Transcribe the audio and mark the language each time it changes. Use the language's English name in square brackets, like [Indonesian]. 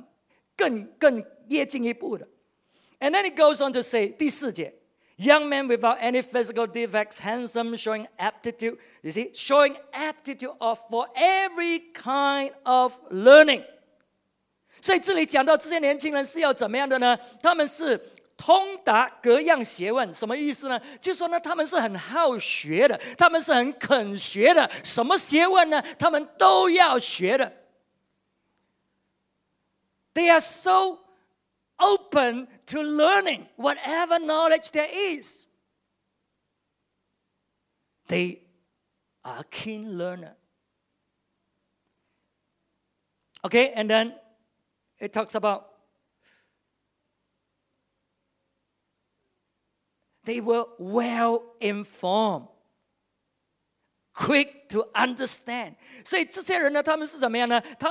[Chinese] 所以你看我们呢是比别人还高超一步的，因为我们是从王族，如果是用圣经来讲，从我们是神的儿女嘛，然后呢，我们有神的话语，外面的人他们没有神的话语，我们有，而且每一个星期我们被教导神的话语，所以我们是比人高超一等，更跃进一步的。 [English] And then it goes on to say, [Chinese] 第四节, [English] young men without any physical defects, handsome, showing aptitude, you see, showing aptitude of for every kind of learning. [Chinese] 所以这里讲到这些年轻人是要怎么样的呢?他们是通达各样学问,什么意思呢? 就说呢,他们是很好学的, 他们是很肯学的, 什么学问呢? 他们都要学的。 [English] They are so open to learning whatever knowledge there is. They are a keen learner. Okay, and then it talks about they were well informed, quick to understand. [Chinese] 所以这些人呢,他们是怎么样呢?